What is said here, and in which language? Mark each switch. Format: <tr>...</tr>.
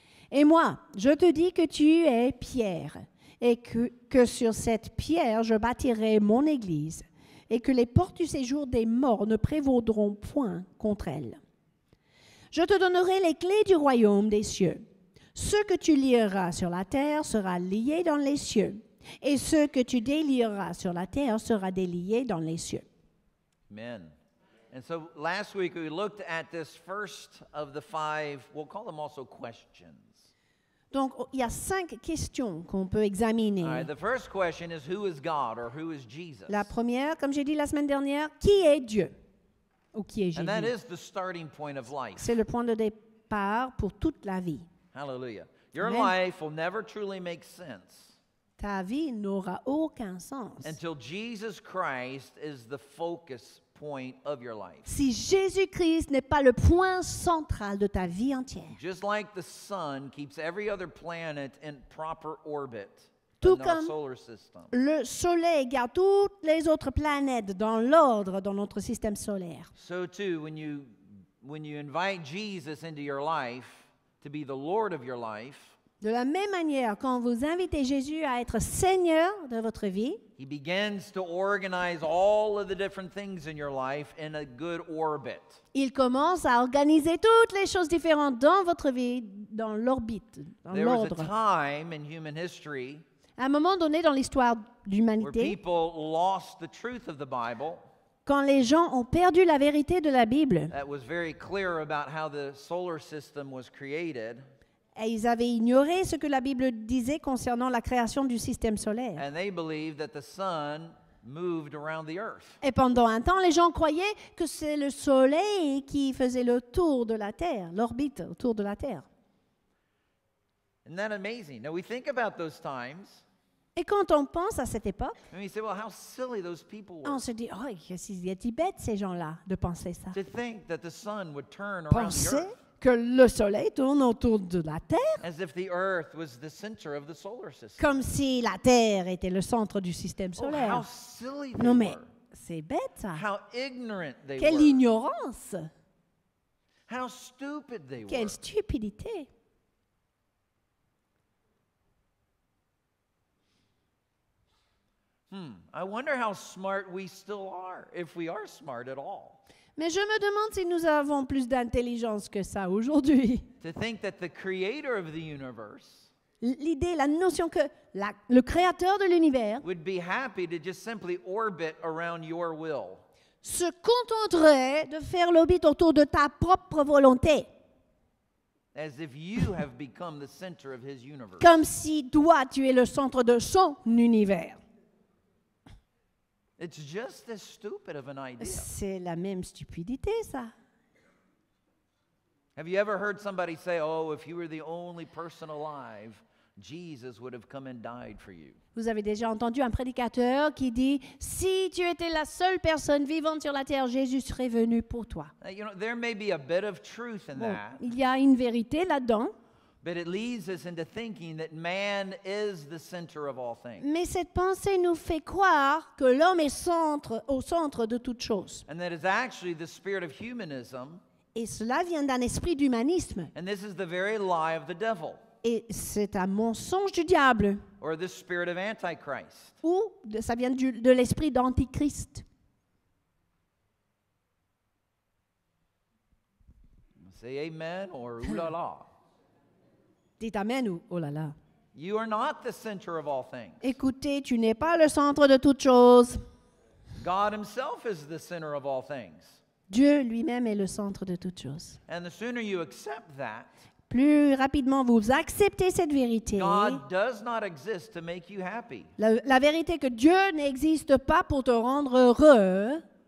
<fr>Et moi, je te dis que tu es Pierre, et que sur cette pierre je bâtirai mon Église, et que les portes du séjour des morts ne prévaudront point contre elle. Je te donnerai les clés du royaume des cieux. Ce que tu lieras sur la terre sera lié dans les cieux, et ce que tu délieras sur la terre sera délié dans les cieux. Amen.</fr> <en>And so last week we looked at this first of the five, we'll call them also questions.</en> <fr>Donc il y a cinq questions qu'on peut examiner.</fr> <en>All right, the first question is who is God or who is Jesus?</en> <fr>La première, comme j'ai dit la semaine dernière, qui est Dieu ou qui est Jésus?</fr> <en>And that is the starting point of life.</en> <fr>C'est le point de départ pour toute la vie.</fr> <en>Hallelujah. Your Amen. Life will never truly make sense.</en> <fr>Ta vie n'aura aucun sens.</fr> <en>Until Jesus Christ is the focus point of your life.</en> <fr>Si Jésus-Christ n'est pas le point central de ta vie entière.</fr> <en>Just like the sun keeps every other planet in proper orbit.</en> <fr>Tout comme le soleil garde toutes les autres planètes dans l'ordre dans notre système solaire.</fr> <en>So too when you invite Jesus into your life to be the Lord of your life.</en> <fr>De la même manière, quand vous invitez Jésus à être Seigneur de votre vie,</fr> <en>He begins to organize all of the different things in your life in a good orbit.</en> <fr>Il commence à organiser toutes les choses différentes dans votre vie dans l'orbite, dans l'ordre.</fr> <en>There was a time in human history</en> <fr>à un moment donné dans l'histoire d'humanité,</fr> <en>where people lost the truth of the Bible.</en> <fr>Quand les gens ont perdu la vérité de la Bible,</fr> <en>that was very clear about how the solar system was created.</en> <fr>Et ils avaient ignoré ce que la Bible disait concernant la création du système solaire.</fr> <en>And they believed that the sun moved around the earth.</en> <fr>Et pendant un temps, les gens croyaient que c'est le soleil qui faisait le tour de la Terre, l'orbite autour de la Terre.</fr> <en>Isn't that amazing? Now we think about those times.</en> <fr>Et quand on pense à cette époque,</fr> <en>and we say, well, how silly those people were.</en> <fr>On se dit, oh, qu'est-ce qu'ils étaient bêtes ces gens-là de penser ça.</fr> <en>To think that the sun would turn around the earth.</en> <fr>Que le soleil tourne autour de la Terre.</fr> <en>As if the earth was the center of the solar system.</en> <fr>Comme si la Terre était le centre du système solaire.</fr> <en>Oh, how silly they</en> <fr>non, mais</fr> <en>were.</en> <fr>C'est bête, ça.</fr> <en>How ignorant they</en> <fr>Quelle</fr> <en>were.</en> <fr>Ignorance.</fr> <en>How stupid they</en> <fr>Quelle</fr> <en>were.</en> <fr>Stupidité.</fr> <en>I wonder how smart we still are, if we are smart at all.</en> <fr>Mais je me demande si nous avons plus d'intelligence que ça aujourd'hui.</fr> <en>To think that the creator of the universe</en> <fr>l'idée, la notion que le créateur de l'univers</fr> <en>would be happy to just simply orbit around your will.</en> <fr>Se contenterait de faire l'orbite autour de ta propre volonté.</fr> <en>As if you have become the center of his universe.</en> <fr>Comme si toi, tu es le centre de son univers.</fr> <en>It's just as stupid of an idea.</en> <fr>C'est la même stupidité, ça.</fr> <en>Have you ever heard somebody say, "Oh, if you were the only person alive, Jesus would have come and died for you"?</en> <fr>Vous avez déjà entendu un prédicateur qui dit, si tu étais la seule personne vivante sur la terre, Jésus serait venu pour toi.</fr> <en>You know, there may be a bit of truth in that.</en> <fr>Il y a une vérité là-dedans.</fr> <en>But it leads us into thinking that man is the center of all things.</en> <fr>Mais cette pensée nous fait croire que l'homme est centre, au centre de toutes choses.</fr> <en>And that is actually the spirit of humanism.</en> <fr>Et cela vient d'un esprit d'humanisme.</fr> <en>And this is the very lie of the devil.</en> <fr>Et c'est un mensonge du diable.</fr> <en>Or the spirit of Antichrist.</en> <fr>Ou ça vient de l'esprit d'Antichrist.</fr> <en>Say amen or oulala.</en> <fr>Dites amen ou oh là là.</fr> <en>You are not the center of all things.</en> <fr>Écoutez, tu n'es pas le centre de toutes choses.</fr> <en>God himself is the center of all things.</en> <fr>Dieu lui-même est le centre de toutes choses.</fr> <en>And the sooner you accept that,</en> <fr>plus rapidement vous acceptez cette vérité.</fr> <en>God does not exist to make you happy.</en> <fr>La vérité que Dieu n'existe pas pour te rendre heureux.</fr>